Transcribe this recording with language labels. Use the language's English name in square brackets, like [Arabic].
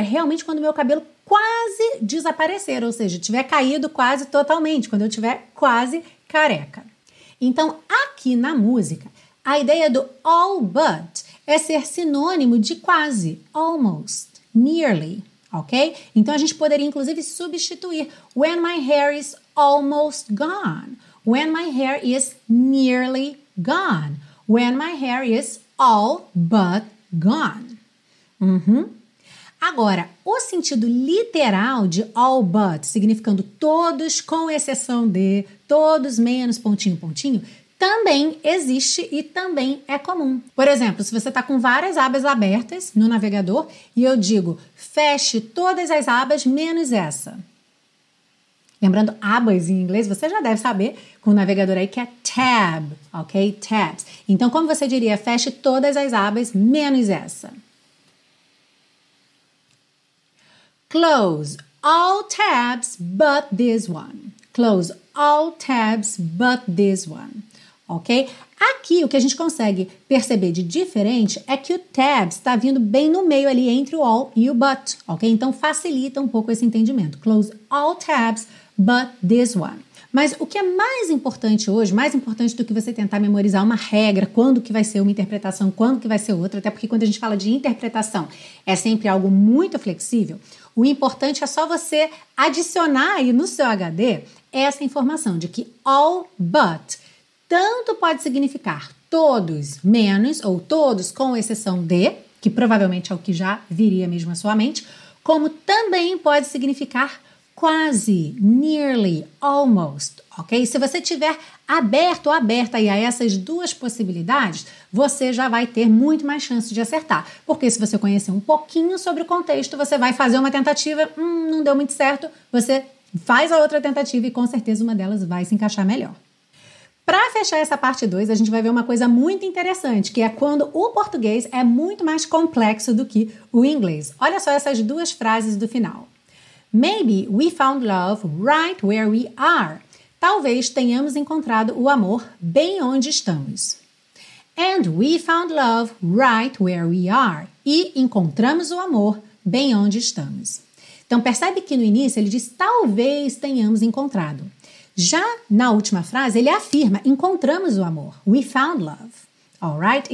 [Portuguese] É realmente quando meu cabelo quase desaparecer, ou seja, tiver caído quase totalmente, quando eu tiver quase careca. Então, aqui na música, a ideia do all but é ser sinônimo de quase, almost, nearly, ok? Então, a gente poderia, inclusive, substituir [English] when my hair is almost gone, when my hair is nearly gone, when my hair is all but gone. Uhum. [Portuguese] Agora, o sentido literal de all but, significando todos com exceção de, todos menos pontinho, pontinho, também existe e também é comum. Por exemplo, se você está com várias abas abertas no navegador e eu digo, feche todas as abas menos essa. Lembrando, abas em inglês, você já deve saber com o navegador aí que é tab, ok? Tabs. Então, como você diria, feche todas as abas menos essa? [English] Close all tabs but this one. Close all tabs but this one. Ok? [Portuguese] Aqui o que a gente consegue perceber de diferente é que o tabs está vindo bem no meio ali entre o all e o but. Ok? Então facilita um pouco esse entendimento. [English] Close all tabs but this one. [Portuguese] Mas o que é mais importante hoje, mais importante do que você tentar memorizar uma regra, quando que vai ser uma interpretação, quando que vai ser outra, até porque quando a gente fala de interpretação é sempre algo muito flexível, o importante é só você adicionar aí no seu HD essa informação de que all but tanto pode significar todos menos ou todos com exceção de, que provavelmente é o que já viria mesmo à sua mente, como também pode significar quase, nearly, almost, ok? Se você tiver aberto ou aberta aí a essas duas possibilidades, você já vai ter muito mais chance de acertar. Porque se você conhecer um pouquinho sobre o contexto, você vai fazer uma tentativa, não deu muito certo, você faz a outra tentativa e com certeza uma delas vai se encaixar melhor. Para fechar essa parte 2, a gente vai ver uma coisa muito interessante, que é quando o português é muito mais complexo do que o inglês. Olha só essas duas frases do final. [English] Maybe we found love right where we are. [Portuguese] Talvez tenhamos encontrado o amor bem onde estamos. [English] And we found love right where we are. [Portuguese] E encontramos o amor bem onde estamos. Então percebe que no início ele diz talvez tenhamos encontrado. Já na última frase ele afirma encontramos o amor. [English] We found love. All right?